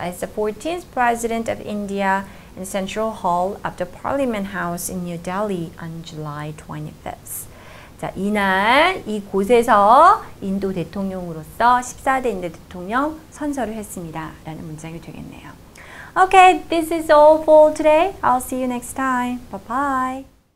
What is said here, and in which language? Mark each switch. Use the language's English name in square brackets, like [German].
[English] As the 14th president of India in Central Hall of the Parliament House in New Delhi on July 25th. [Korean] 자, 이날 이곳에서 인도 대통령으로서 14대 인도 대통령 선서를 했습니다. 라는 문장이 되겠네요. [English] Okay, this is all for today. I'll see you next time. Bye-bye.